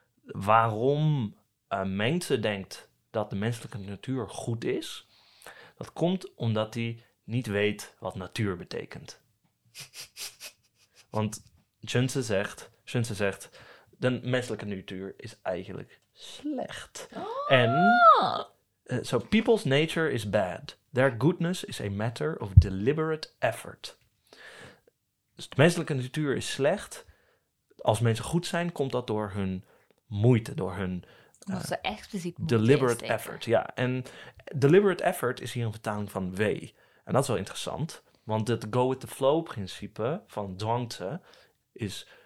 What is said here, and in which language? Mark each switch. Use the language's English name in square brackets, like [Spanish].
[Dutch] waarom mensen denkt dat de menselijke natuur goed is... dat komt omdat hij niet weet wat natuur betekent. Want Xunzi zegt... de menselijke natuur is eigenlijk slecht. Oh. [English] En... So, people's nature is bad. Their goodness is a matter of deliberate effort. [Dutch] Dus de menselijke natuur is slecht. Als mensen goed zijn, komt dat door hun moeite, door hun... Omdat ze expliciet deliberate moeten effort, ja. En deliberate effort is hier een vertaling van W. En dat is wel interessant. Want het go-with-the-flow-principe van Zhuangzi is...